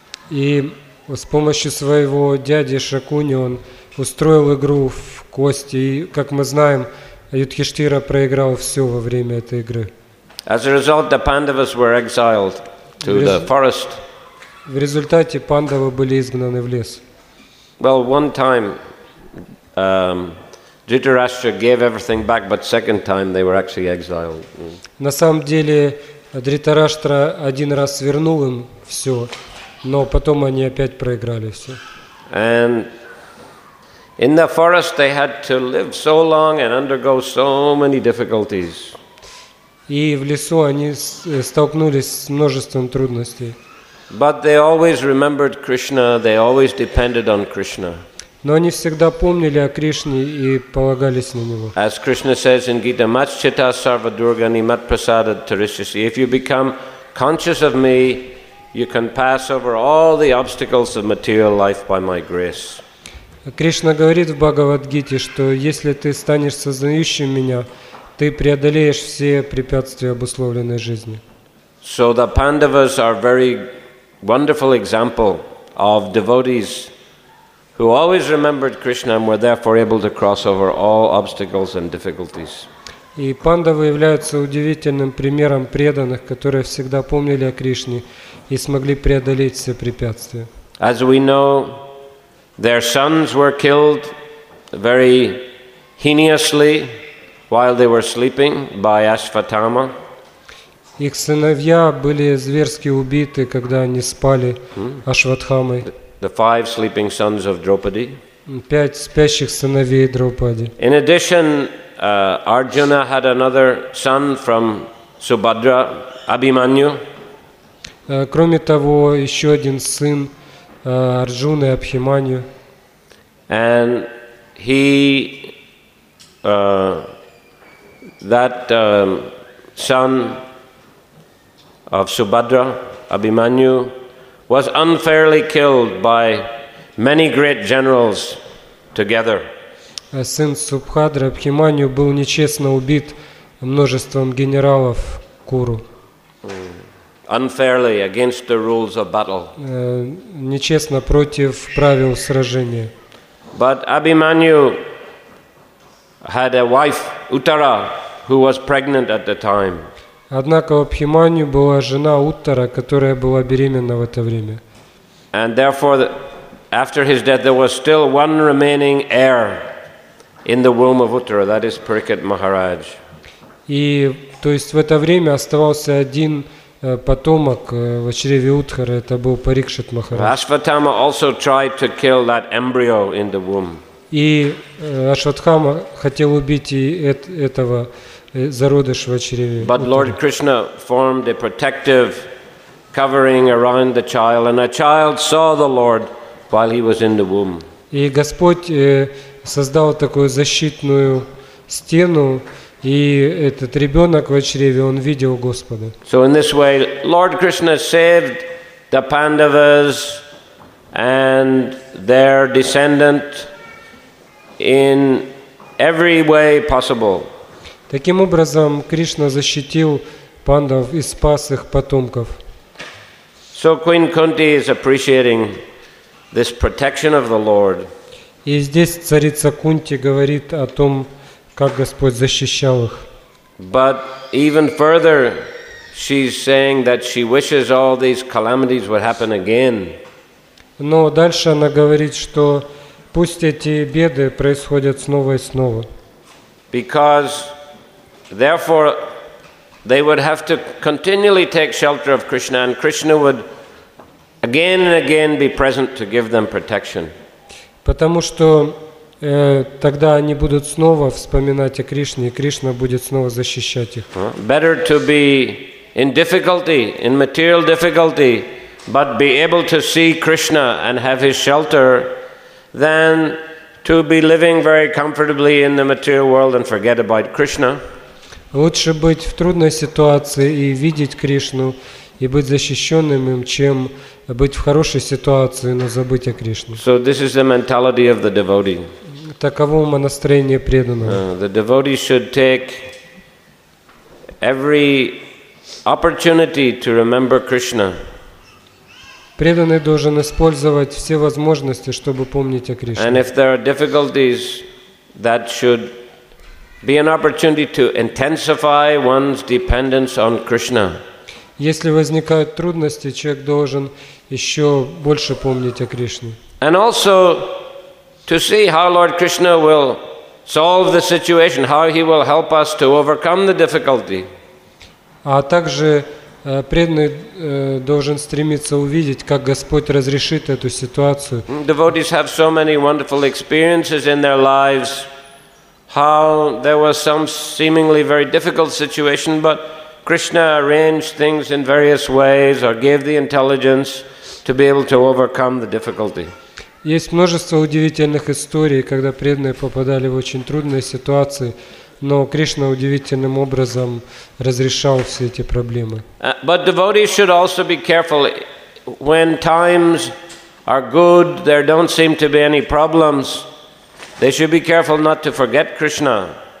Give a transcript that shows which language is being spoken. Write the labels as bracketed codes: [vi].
[ru] И с помощью своего дяди Шакуни он устроил игру в кости, и, как мы знаем, Юдхиштхира проиграл все во время этой игры. [en] As a result, the Pandavas were exiled to the forest. [ru] В результате пандавы были изгнаны в лес. [en] Well, one time Dhritarashtra gave everything back, but second time they were actually exiled. [ru] На самом деле Дхритараштра один раз вернул им все, но потом они опять проиграли все. [en] And in the forest they had to live so long and undergo so many difficulties. [ru] И в лесу они столкнулись с множеством трудностей. [en] But they always remembered Krishna, they always depended on Krishna. [ru] Но они всегда помнили о Кришне и полагались на него. [en] As Krishna says in Gita, [sa] Matschita Sarva Durga Nimat Prasada Tarishasi, [en] if you become conscious of me, you can pass over all the obstacles of material life by my grace. [ru] Кришна говорит в Бхагавад-гите, что если ты станешь сознающим меня, ты преодолеешь все препятствия обусловленной жизни. [en] So the Pandavas are very wonderful example of devotees who always remembered Krishna and were therefore able to cross over all obstacles and difficulties. [ru] И пандавы являются удивительным примером преданных, которые всегда помнили о Кришне и смогли преодолеть все препятствия. [en] As we know, their sons were killed very heinously while they were sleeping by Ashvatthama. [ru] Их сыновья были зверски убиты, когда они спали Ашватхамой. [en] The five sleeping sons of Draupadi. [ru] Пять спящих сыновей Драупади. [en] In addition, Arjuna had another son from Subhadra, Abhimanyu. [ru] Кроме того, еще один сын Арджуны, Абхиманью. [en] And he, that son of Subhadra, Abhimanyu, was unfairly killed by many great generals together. [ru] Сын Субхадры Абхиманию был нечестно убит множеством генералов Куру. [en] Unfairly against the rules of battle. [ru] Нечестно против правил сражения. [en] But Abhimanyu had a wife, Uttara, who was pregnant at the time. [ru] Однако у Абхиманию была жена Уттара, которая была беременна в это время. [en] And therefore, after his death, there was still one remaining heir in the womb of Uttara, that is Parikshit Maharaj. [ru] И то есть в это время оставался один потомок в чреве Уттары, это был Парикшит Махарадж. [en] Ашватхама also tried to kill that embryo in the womb. [ru] И Ашватхама хотел убить и этого зародыш в чреве. [en] But Lord Krishna formed a protective covering around the child, and a child saw the Lord while he was in the womb. [ru] И Господь создал такую защитную стену, и этот ребенок в чреве он видел Господа. [en] So in this way, Lord Krishna saved the Pandavas and their descendant in every way possible. [ru] Таким образом, Кришна защитил пандав и спас их потомков. [en] So Queen Kunti is appreciating this protection of the Lord. [ru] И здесь царица Кунти говорит о том, как Господь защищал их. [en] But even further, she's saying that she wishes all these calamities would happen again. [ru] Но дальше она говорит, что пусть эти беды происходят снова и снова. [en] Because therefore, they would have to continually take shelter of Krishna, and Krishna would again and again be present to give them protection. [ru] Потому что тогда они будут снова вспоминать о Кришне, и Кришна будет снова защищать их. [en] Better to be in difficulty, in material difficulty, but be able to see Krishna and have his shelter, than to be living very comfortably in the material world and forget about Krishna. [ru] Лучше быть в трудной ситуации и видеть Кришну, и быть защищенным им, чем быть в хорошей ситуации, но забыть о Кришне. [en] So this is the mentality of the devotee. [ru] Таково умонастроение преданного. [en] The devotee should take every opportunity to remember Krishna. [ru] Преданный должен использовать все возможности, чтобы помнить о Кришне. [en] And if there are difficulties, that should be an opportunity to intensify one's dependence on Krishna. [ru] Если возникают трудности, человек должен еще больше помнить о Кришне. [en] And also to see how Lord Krishna will solve the situation, how he will help us to overcome the difficulty. [ru] А также преданный должен стремиться увидеть, как Господь разрешит эту ситуацию. [en] Devotees have so many wonderful experiences in their lives. How there was some seemingly very difficult situation, but Krishna arranged things in various ways or gave the intelligence to be able to overcome the difficulty. [ru] Есть множество удивительных историй, когда преданные попадали в очень трудные ситуации, но Кришна удивительным образом разрешал все эти проблемы. [en] But devotees should also be careful. When times are good, there don't seem to be any problems. They should be careful not to forget Krishna.